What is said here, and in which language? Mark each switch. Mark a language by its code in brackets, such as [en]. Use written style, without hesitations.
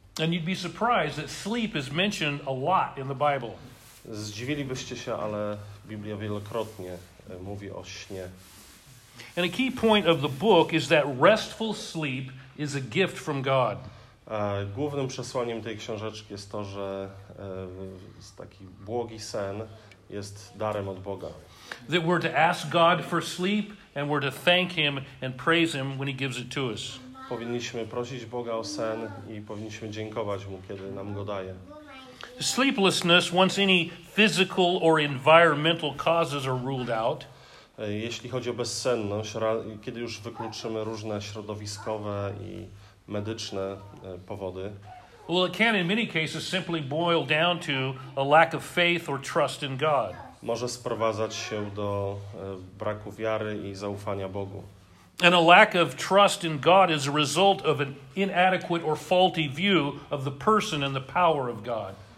[en] And you'd be surprised that sleep is mentioned a lot in the Bible. [pl] Zdziwilibyście się, ale Biblia wielokrotnie mówi o śnie. [en] And a key point of the book is that restful sleep is a gift from God. [pl] Głównym przesłaniem tej książeczki jest to, że taki błogi sen jest darem od Boga. [en] That we're to ask God for sleep and we're to thank Him and praise Him when He gives it to us. [pl] Powinniśmy prosić Boga o sen i powinniśmy dziękować Mu, kiedy nam go daje. [en] Sleeplessness, once any physical or environmental causes are ruled out. [pl] Jeśli chodzi o bezsenność, kiedy już wykluczymy różne środowiskowe i medyczne powody. [en] Well, it can in many cases simply boil down to a lack of faith or trust in God. [pl] Może sprowadzać się do braku wiary i zaufania Bogu. [en] And a lack of trust in God is a result of an inadequate or faulty view of the person and the power of God.